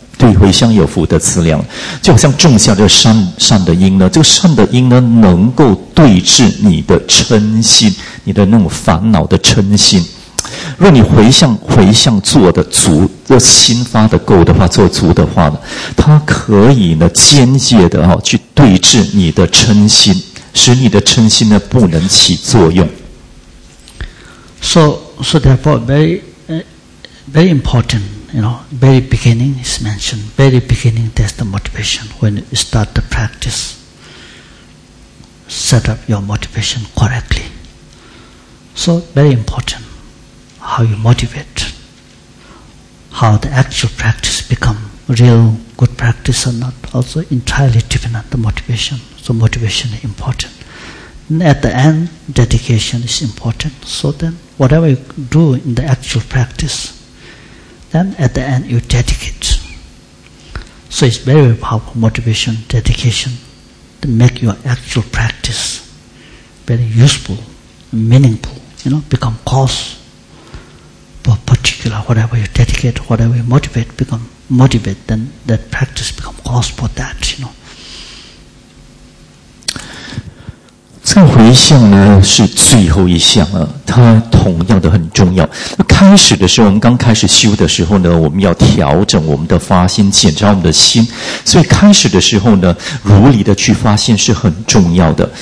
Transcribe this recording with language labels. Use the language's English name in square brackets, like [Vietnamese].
[Chinese] 对回向有福德资粮，就好像种下这善的因呢，这个善的因呢，能够对治你的嗔心，你的那种烦恼的嗔心。若你回向做得足，若心发得够的话，做足的话呢，它可以呢间接的哈、哦、去对治你的嗔心，使你的嗔心呢不能起作用。 [English] So therefore, very important, you know, very beginning is mentioned. Very beginning, that's the motivation. When you start the practice, set up your motivation correctly. So very important. How you motivate, how the actual practice become real good practice or not, also entirely depend on the motivation. So motivation is important. And at the end, dedication is important. So then, whatever you do in the actual practice, then at the end you dedicate. So it's very, very powerful motivation, dedication, to make your actual practice very useful, meaningful, you know, become cause. Particular, whatever you dedicate, whatever you motivate, become motivate, then that practice become cause for that, you know. So, [Chinese] 这回向呢是最后一项啊，它同样的很重要。那开始的时候，我们刚开始修的时候呢，我们要调整我们的发心，检查我们的心。所以开始的时候呢，如理的去发心是很重要的。